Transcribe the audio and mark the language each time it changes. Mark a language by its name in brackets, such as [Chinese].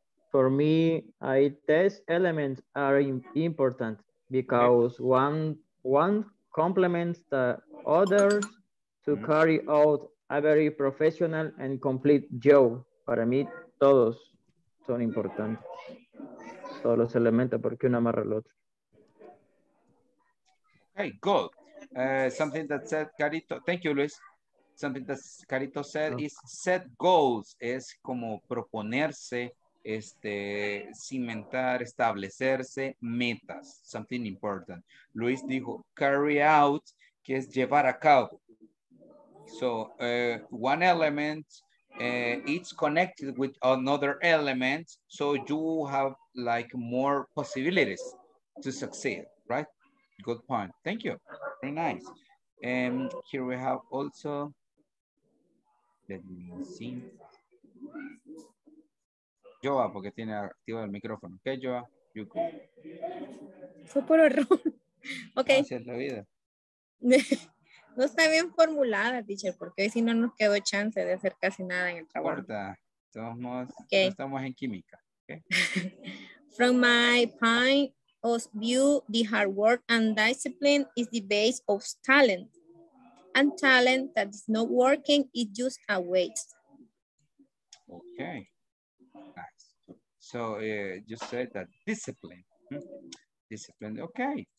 [English] For me, test elements are important because one complements the others to carry out a very professional and complete job. [Spanish] Para mí, todos son importantes. Todos los elementos, porque uno amarra al otro. [English] Okay, good. Something that said Carito, thank you, Luis. Something that Carito said is set goals. [Spanish] Es como proponerse, cimentar, establecerse metas. [English] Something important. [Spanish] Luis dijo carry out, que es llevar a cabo. [English] So, one element, it's connected with another element. So you have like more possibilities to succeed, right? Good point. Thank you. Very nice. And here we have also, let me see. [Spanish] Joa, porque tiene activo el micrófono. [English] Okay, Joa, you go. [Spanish] Fue por error. Okay. Gracias la vida. No está bien formulada, teacher, porque hoy si no nos quedó chance de hacer casi nada en el trabajo. No importa. Okay. No estamos en química. Okay. [English] From my point of view, the hard work and discipline is the base of talent. And talent that is not working is just a waste. Okay. Nice. So you said that discipline. Discipline. Okay.